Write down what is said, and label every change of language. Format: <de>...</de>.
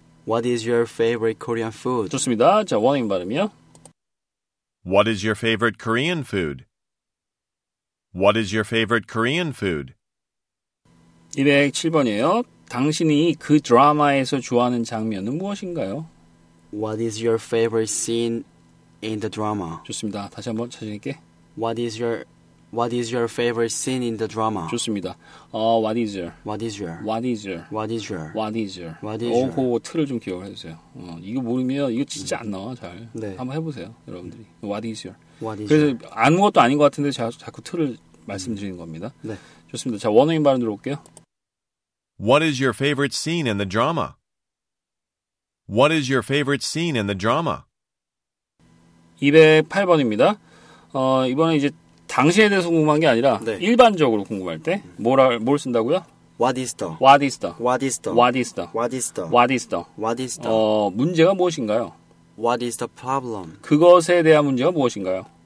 <en>What is your favorite Korean food?</en> <ko>좋습니다. 자, 원어민 발음이요.</ko> <en>What is your favorite Korean food? What is your favorite Korean food?</en> <ko>207번이에요. 당신이 그 드라마에서 좋아하는 장면은 무엇인가요?</ko> <en>What is your favorite scene in the drama?</en> <ko>좋습니다. 다시 한번 찾아낼게.</ko> <en>What is your favorite scene in the drama?</en> <ko>좋습니다.</ko> <en>What is your? What is your? What is your? What is your? What is your? What is your?</en> <ko>그 틀을 좀 기억을 해주세요. 이거 모르면 이거 진짜 안 나와 잘. 네. 한번 해보세요, 여러분들이.</ko> <en>What is your? What is</en> <ko>그래서</ko> <en>your?</en> <ko>아무것도 아닌 것 같은데 자꾸 틀을 말씀드리는 겁니다. 네. 좋습니다. 자, 원어민 발음 들어볼게요.</ko> <en>What is your favorite scene in the drama? What is your favorite scene in the drama?</en> <ko>208번입니다. 이번에 이제 당신에 대해서 궁금한 게 아니라 네. 일반적으로 궁금할 때 뭘 쓴다고요?</ko> <en>What is the? What is the? What is the? What is the? What is the? What is the? What is the?</en> <ko>문제가 무엇인가요?</ko> <en>What is the problem?</en> <ko>그것에 대한 문제가 무엇인가요?</ko>